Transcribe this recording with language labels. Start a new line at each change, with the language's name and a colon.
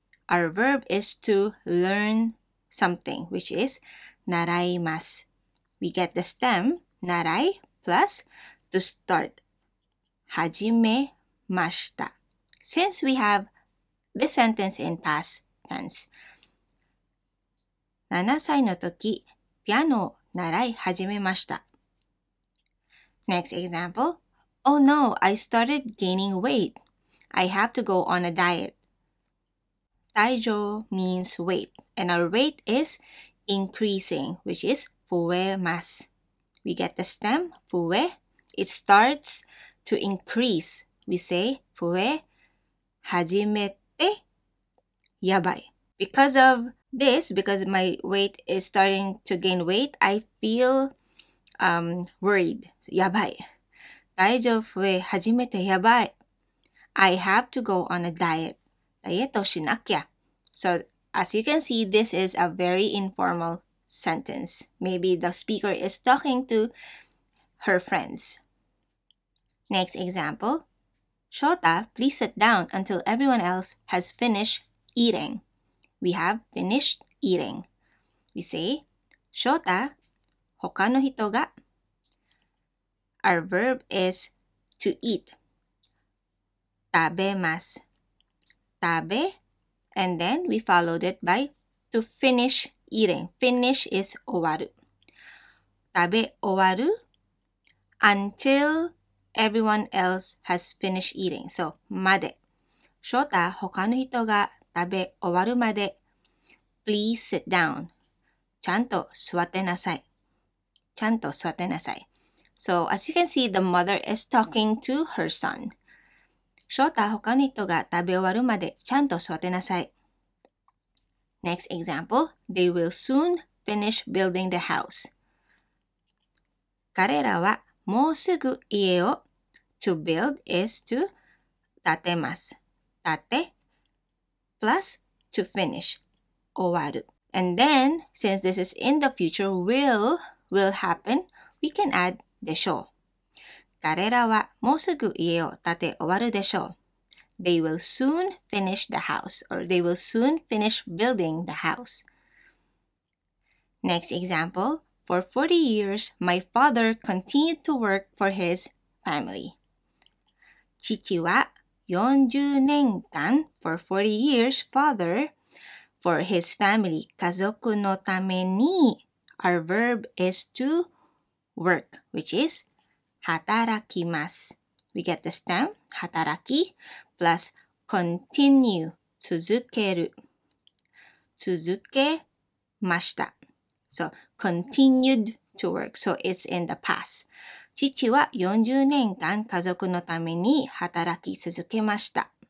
English: Our verb is to learn something, which is 習います. We get the stem 習い plus to start.
Japanese: 始めました.
English: Since we have this sentence in past tense.
Japanese: 7歳の時、ピアノを習い始めました.
English: Next example. Oh no, I started gaining weight. I have to go on a diet. 体重 means weight. And our weight is increasing, which is 増えます. We get the stem 増え.It starts to increase. We say 増え
Japanese: 始めてやばい.
English: Because of this, because my weight is starting to gain weight, I feel worried.
Japanese: やばい. 体重増え始めてやばい.
English: I have to go on a diet.
Japanese: ダイエットしなきゃ.
English: So,As you can see, this is a very informal sentence. Maybe the speaker is talking to her friends. Next example. Shota, please sit down until everyone else has finished eating. We have finished eating. We say,
Japanese: Shota, 他の人が
English: Our verb is to eat.
Japanese: 食べます。
English: 食べAnd then we followed it by to finish eating. Finish is 終わる.
Japanese: 食べ終わる
English: until everyone else has finished eating. So, まで.
Japanese: 翔太、他の人が食べ終わるまで.
English: Please sit down.
Japanese: ちゃんと座ってなさい. ちゃんと座ってなさい.
English: So, as you can see, the mother is talking to her son.
Japanese: 翔太、他の人が食べ終わるまでちゃんと座ってなさい。
English: Next example, they will soon finish building the house.
Japanese: 彼らはもうすぐ家を。
English: To build is to
Japanese: 建てます。
English: 建て plus to finish 終わる。 And then, since this is in the future, will happen, we can add でしょう。
Japanese: 彼らはもうすぐ家を建て終わるでしょう。
English: They will soon finish the house, or they will soon finish building the house. Next example, for 40 years, my father continued to work for his family.
Japanese: 父は40年間
English: for 40 years, father, for his family,
Japanese: 家族のために
English: our verb is to work, which is
Japanese: 働きます。
English: We get the stem, 働き plus continue,
Japanese: 続ける。続けました。
English: So, continued to work, so it's in the past.
Japanese: 父は40年間家族のために働き続けました。